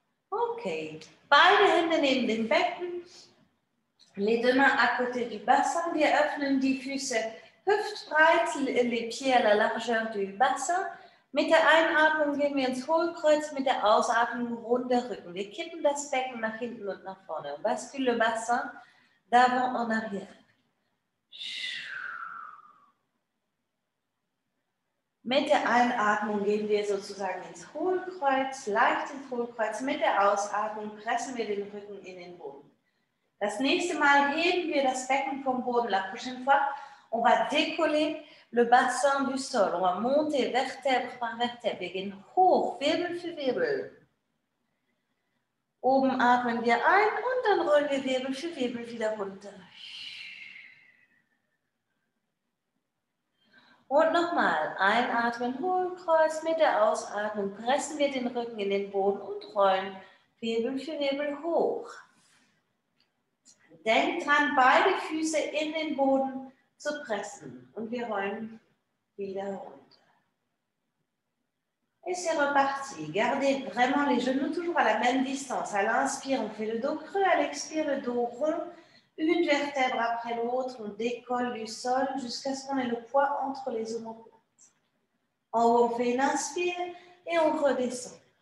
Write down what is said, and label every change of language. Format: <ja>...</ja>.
<de>Okay, beide Hände neben dem Becken.</de> <fr>Les deux mains à côté du bassin.</fr> <de>Wir öffnen die Füße hüftbreit,</de> <fr>les pieds à la largeur du bassin.</fr> <de>Mit der Einatmung gehen wir ins Hohlkreuz, mit der Ausatmung runder Rücken. Wir kippen das Becken nach hinten und nach vorne.</de> <fr>On bascule le bassin d'avant en arrière.</fr> <de>Mit der Einatmung gehen wir sozusagen ins Hohlkreuz, leicht ins Hohlkreuz. Mit der Ausatmung pressen wir den Rücken in den Boden. Das nächste Mal heben wir das Becken vom Boden.</de> <fr>La prochaine fois, on va décoller le bassin du sol. On va monter vertèbre par vertèbre.</fr> <de>Wir gehen hoch, Wirbel für Wirbel. Oben atmen wir ein und dann rollen wir Wirbel für Wirbel wieder runter. Und nochmal, einatmen, Hohlkreuz. Mit der Ausatmung pressen wir den Rücken in den Boden und rollen Wirbel für Wirbel hoch. Denk dran, beide Füße in den Boden zu pressen. Und wir rollen wieder runter.</de> <fr>Et c'est reparti. Gardez vraiment les genoux toujours à la même distance. À l'inspire, on fait le dos creux. À l'expire, le dos rond. Une vertèbre après l'autre, on décolle du sol jusqu'à ce qu'on ait le poids entre les omoplates. En haut, on fait une inspire et on redescend.</fr>